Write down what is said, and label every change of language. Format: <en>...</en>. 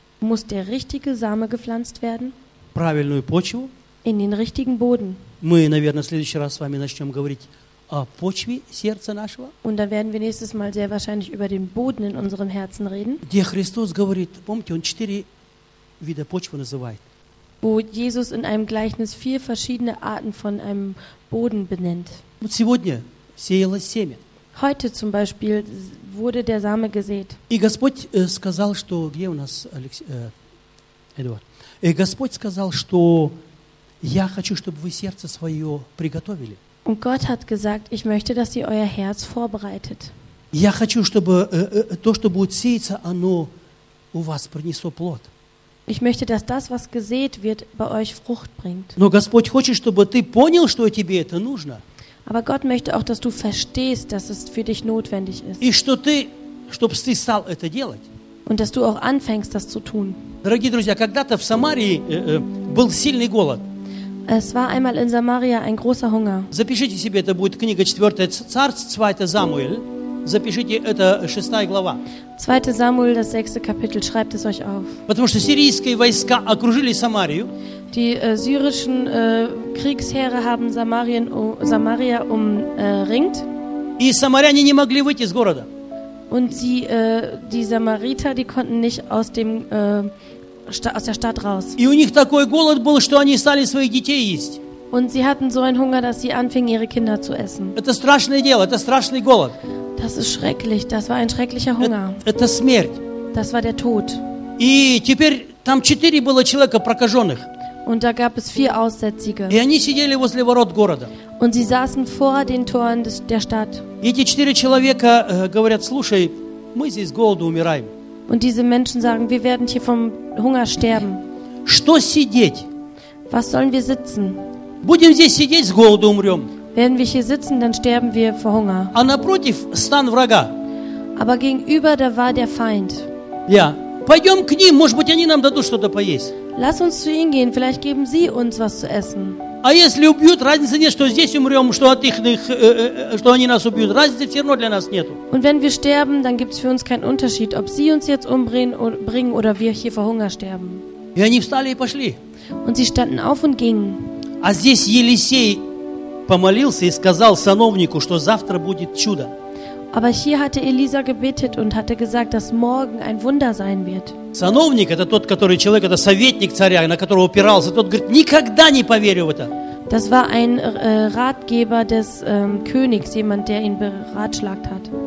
<de>muss der richtige Same gepflanzt werden,</de> <ru>правильную почву,</ru> <de>in den richtigen Boden.</de> <ru>Мы, наверное, в следующий раз с вами начнем говорить о почве сердца нашего,</ru> <de>und da werden wir nächstes Mal sehr wahrscheinlich über den Boden in unserem Herzen reden,</de> <ru>где Христос говорит, помните, он четыре вида почвы называет,</ru> <de>wo Jesus in einem Gleichnis vier verschiedene Arten von einem Boden benennt.</de> <ru>Вот сегодня сеялось семя.</ru> <de>Heute zum Beispiel wurde der Same gesät.</de> <ru>И Господь сказал, что где у нас Эдуард? И Господь сказал, что я хочу, чтобы вы сердце свое приготовили.</ru> <de>Und Gott hat gesagt, ich möchte, dass ihr euer Herz vorbereitet.</de> <ru>Я хочу, чтобы то, что будет сеяться, оно у вас принесло плод.</ru> <de>Ich möchte, dass das, was gesät wird, bei euch Frucht bringt.</de> <ru>Но Господь хочет, чтобы ты понял, что тебе это нужно.</ru> <de>Aber Gott möchte auch, dass du verstehst, dass es für dich notwendig ist.</de> <ru>И что ты, чтобы ты стал это делать.</ru> <de>Und dass du auch anfängst, das zu tun.</de> <ru>Дорогие друзья, когда-то в Самарии был сильный голод.</ru> <de>Es war einmal in Samaria ein großer Hunger.</de> <ru>Запишите себе, это будет книга 4 Царств, 2 Самуил. Запишите, это 6 глава.</ru> <de>2 Samuel, das 6. Kapitel, schreibt es euch auf.</de> <ru>Потому что сирийские войска окружили Самарию.</ru> <de>Die syrischen Kriegsheere haben Samaria umringt.</de> <ru>И самаряне не могли выйти из города.</ru> <de>Und sie, die Samariter, die konnten nicht aus dem aus der Stadt raus.</de> <ru>И у них такой голод был, что они стали своих детей есть.</ru> <de>Und sie hatten so einen Hunger, dass sie anfingen, ihre Kinder zu essen.</de> <ru>Это страшное дело, это страшный голод.</ru> <de>Das ist schrecklich, das war ein schrecklicher Hunger.</de> <ru>Это смерть.</ru> <de>Das war der Tod.</de> <ru>И теперь там четыре было человека прокаженных.</ru> <de>Und da gab es vier Aussätzige.</de> <ru>И они сидели возле ворот города.</ru> <de>Und sie saßen vor den Toren der Stadt.</de> <ru>И эти четыре человека говорят, слушай, мы здесь с голоду умираем.</ru> <de>Und diese Menschen sagen, wir werden hier vom Hunger sterben.</de> <ru>Что сидеть?</ru> <de>Was sollen wir sitzen?</de> <ru>Будем здесь сидеть, с голоду умрем.</ru> <de>Wenn wir hier sitzen, dann sterben wir vor Hunger.</de> <ru>А напротив стан врага.</ru> <de>Aber gegenüber, da war der Feind. Ja.</de> <ru>Пойдем к ним, может быть, они нам дадут что-то поесть.</ru> <de>Lass uns zu ihnen gehen, vielleicht geben sie uns was zu essen.</de> <ru>А если убьют, разницы нет, что здесь умрем, что от их, что они нас убьют. Разницы все равно для нас нету.</ru> <de>Und wenn wir sterben, dann gibt's für uns keinen Unterschied, ob sie uns jetzt umbringen oder wir hier vor Hunger sterben.</de> <ru>И они встали и пошли.</ru> <de>Und sie standen auf und gingen.</de> <ru>А здесь Елисей помолился и сказал сановнику, что завтра будет чудо.</ru> <de>Aber hier hatte Elisa gebetet und hatte gesagt, dass morgen ein Wunder sein wird.</de> <ru>Сановник это тот, который человек, это советник царя, на которого опирался. Тот говорит, никогда не поверю в это.</ru> <de>Das war ein Ratgeber des Königs, jemand, der ihn beratschlagt hat.</de>